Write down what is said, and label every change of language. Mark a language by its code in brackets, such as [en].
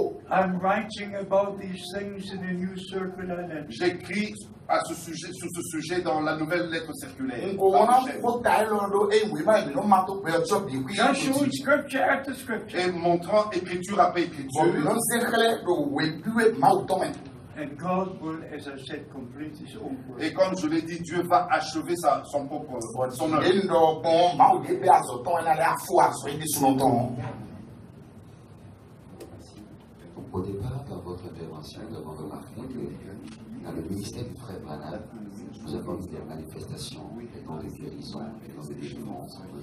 [en] I'm writing about these things in a new circular letter. [fr] J'écris à ce sujet, sur ce sujet dans la nouvelle lettre circulaire. [en] Scripture after scripture. [fr] Et montrant écriture après écriture. [en] And God will, as I said, complete his own work. [fr] Et comme je l'ai dit, Dieu va achever son propre son œuvre. Au départ, dans votre intervention, nous avons remarqué que dans le ministère du frère Branham, nous avons eu des manifestations et dans des guérisons et dans des délivrances.